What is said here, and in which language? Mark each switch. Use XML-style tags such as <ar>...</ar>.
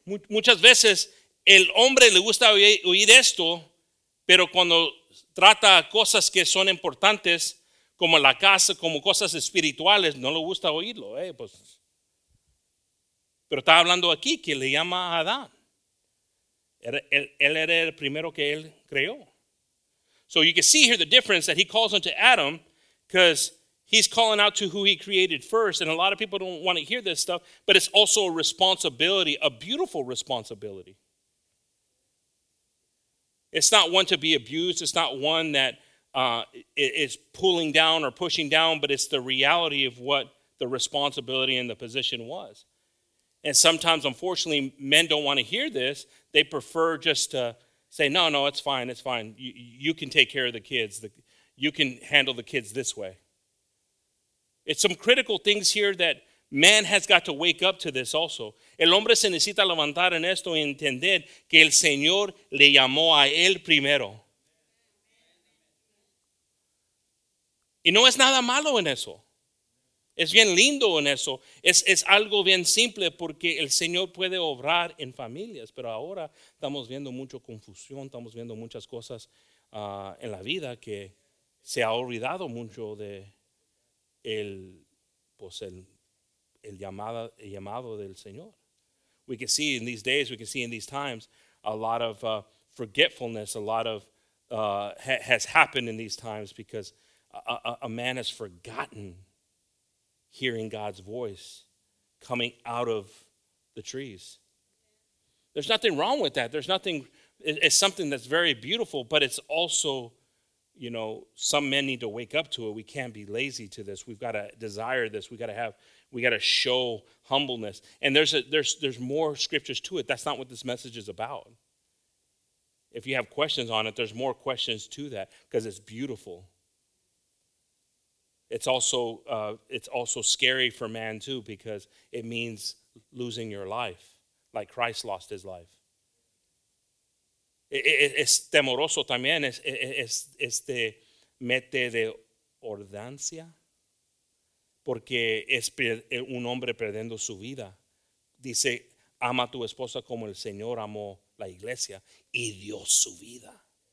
<es>Muchas veces el hombre le gusta oír esto, pero cuando trata cosas que son importantes, como la casa, como cosas espirituales, no le gusta oírlo. Pues Pero está hablando aquí que le llama a Adán. Él era el primero que él creó.</es> <en>So you can see here the difference that he calls unto Adam because he's calling out to who he created first. And a lot of people don't want to hear this stuff, but it's also a responsibility, a beautiful responsibility. It's not one to be abused. It's not one that is pulling down or pushing down, but it's the reality of what the responsibility and the position was. And sometimes, unfortunately, men don't want to hear this. They prefer just to say, no, no, it's fine, it's fine. You can take care of the kids. You can handle the kids this way. It's some critical things here that man has got to wake up to this also.</en> <es>El hombre se necesita levantar en esto y entender que el Señor le llamó a él primero. Y no es nada malo en eso. Es bien lindo en eso. Es algo bien simple porque el Señor puede obrar en familias. Pero ahora estamos viendo mucha confusión. Estamos viendo muchas cosas en la vida que se ha olvidado mucho de el llamado del Señor.</es> <en>We can see in these days, we can see in these times, a lot of forgetfulness, a lot of has happened in these times because a man has forgotten hearing God's voice coming out of the trees. There's nothing wrong with that. There's nothing, it's something that's very beautiful, but it's also, you know, some men need to wake up to it. We can't be lazy to this. We've got to desire this. We got to show humbleness. And there's more scriptures to it. That's not what this message is about. If you have questions on it, there's more questions to that because it's beautiful. It's also scary for man too because it means losing your life, like Christ lost his life.</en> <es>Es temoroso también, es mete de ordenancia, porque es un hombre perdiendo su vida. Dice, ama a tu esposa como el Señor amó la iglesia y dio su vida.</es>